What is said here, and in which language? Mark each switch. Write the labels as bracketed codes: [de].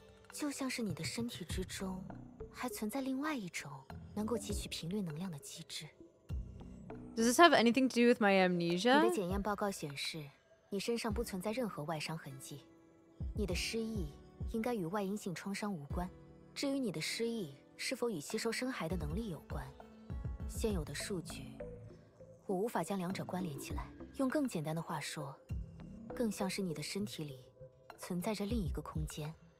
[zh] 就像是你的身体之中还存在另外一种能够汲取频率能量的机制。 [en] Does this have anything to do with my amnesia? [zh] 你的检验报告显示，你身上不存在任何外伤痕迹。你的失忆应该与外阴性创伤无关。至于你的失忆是否与吸收深海的能力有关？现有的数据我无法将两者关联起来，用更简单的话说，更像是你的身体里存在着另一个空间。